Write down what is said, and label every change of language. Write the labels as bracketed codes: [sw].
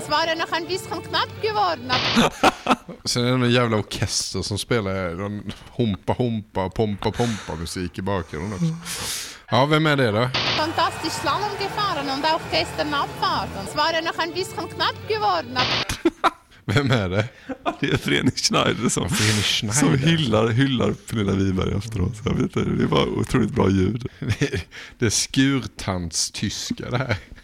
[de] Es war ja noch ein bisschen knapp geworden. [sv] Sen är det en jävla orkester som spelar de humpa humpa pompa pompa musik i bakgrunden också. Ja, vem är det då? [de] Fantastisk slalom gefahren und auch gestern Abfahrten. Es war ja noch ein bisschen knapp geworden. [sv] Vem är det? Det är Fredrik Schneider som, Schneider som hyllar Pernilla Wiberg efteråt. Jag vet inte, det är bara otroligt bra ljud. Det är skurtants tyska det här.